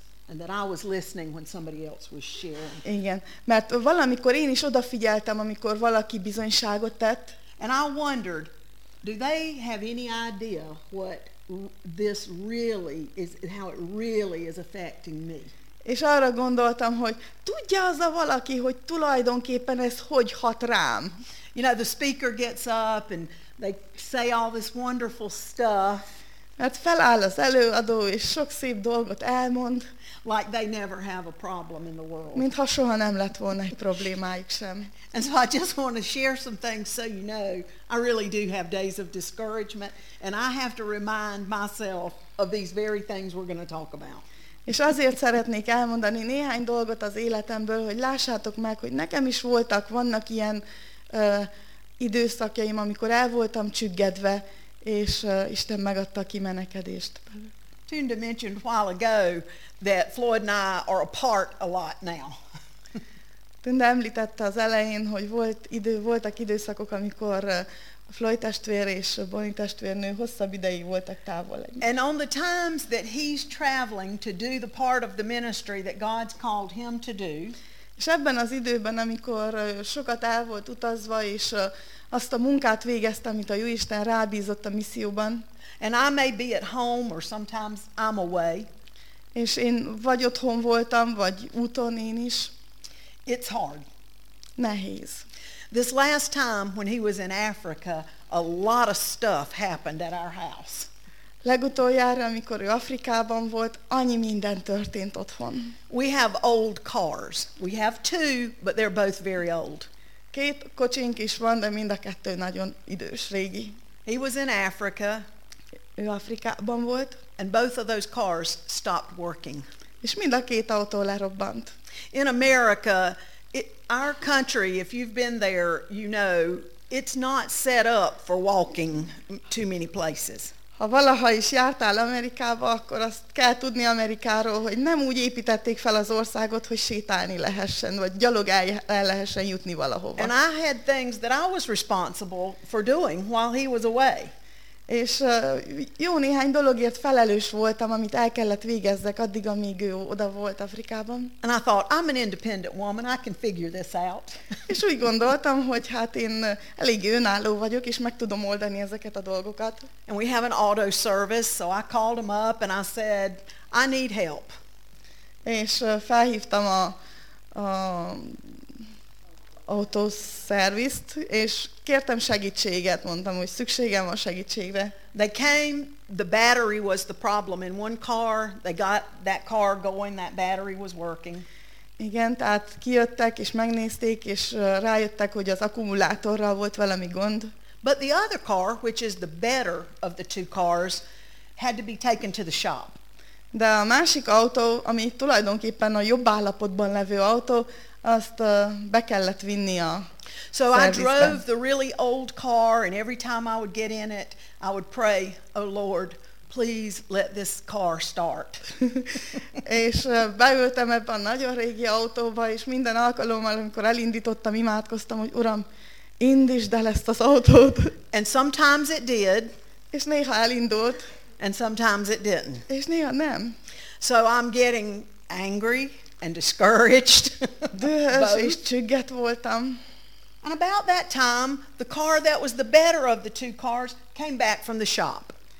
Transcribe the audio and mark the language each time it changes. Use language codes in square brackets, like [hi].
[en] and that I was listening when somebody else was sharing. [hu] Igen, mert valamikor én is odafigyeltem, amikor valaki bizonyságot tett. [en] And I wondered, do they have any idea what this really is, how it really is affecting me? [hu] És arra gondoltam, hogy tudja az a valaki, hogy tulajdonképpen ez hogy hat rám? [en] You know, the speaker gets up and they say all this wonderful stuff. [hu] Mert feláll az előadó és sok szép dolgot elmond. [en] Like they never have a problem in the world. [hu] Mintha soha nem lett volna egy problémájuk sem. [en] And so I just want to share some things so you know, I really do have days of discouragement, and I have to remind myself of these very things we're going to talk about. [hu] És azért szeretnék elmondani néhány dolgot az életemből, hogy lássátok meg, hogy nekem is voltak, vannak ilyen időszakjaim, amikor el voltam csüggedve, és Isten megadta a kimenekedést. [en] Tunde mentioned while ago that Floyd and I are apart a lot now. [hu] Tunde említette az elején, hogy voltak időszakok, amikor Floyd testvér és Bonnie testvérnő hosszabb ideig voltak távol. [en] And on the times that he's traveling to do the part of the ministry that God's called him to do. [hu] És ebben az időben, amikor sokat el volt utazva és azt a munkát végeztem, amit a Jóisten rábízott a misszióban. [en] And I may be at home, or sometimes I'm away. [hu] És én vagy otthon voltam, vagy úton én is. [en] It's hard. [hu] Nehéz. [en] This last time, when he was in Africa, a lot of stuff happened at our house. [hu] Legutoljára, amikor ő Afrikában volt, annyi minden történt otthon. [en] We have old cars. We have two, but they're both very old. [hu] Két kocsink is van, de mind a kettő nagyon idős, régi. [en] He was in Africa. [hu] Ő Afrikában volt. [en] And both of those cars stopped working. [hu] És mind a két autó lerobbant. [en] In America, our country, if you've been there, you know, it's not set up for walking too many places. [hu] Ha valaha is jártál Amerikába, akkor azt kell tudni Amerikáról, hogy nem úgy építették fel az országot, hogy sétálni lehessen, vagy gyalog el lehessen jutni valahova. [en] And I had things that I was responsible for doing while he was away. [hu] És jó néhány dologért felelős voltam, amit el kellett végezzek addig, amíg ő oda volt Afrikában. [en] And I thought, I'm an independent woman, I can figure this out. [hu] És úgy gondoltam, hogy hát én elég önálló vagyok, és meg tudom oldani ezeket a dolgokat. [en] And we have an auto service, so I called him up, and I said, I need help. [hu] És felhívtam az autószervizt, és kértem segítséget, mondtam, hogy szükségem van segítségre. [en] They came, the battery was the problem in one car, they got that car going, that battery was working. [hu] Igen, tehát kijöttek, és megnézték, és rájöttek, hogy az akkumulátorral volt valami gond. [en] But the other car, which is the better of the two cars, had to be taken to the shop. [hu] De a másik autó, ami tulajdonképpen a jobb állapotban levő autó, azt be kellett vinni a szervizbe. [en] So I drove the really old car, and every time I would get in it, I would pray, oh Lord, please let this car start. [hu] És beültem ebbe a nagyon régi autóba, és minden alkalommal, amikor elindítottam, imádkoztam, hogy Uram, indítsd el ezt az autót. [en] And sometimes it did. [hu] És néha elindult. [en] And sometimes it didn't. [hu] És néha nem. [en] So I'm getting angry and discouraged. [hu] Dühös és csügget voltam. [en] And about that time, the car that was the better of the two cars came back from the shop.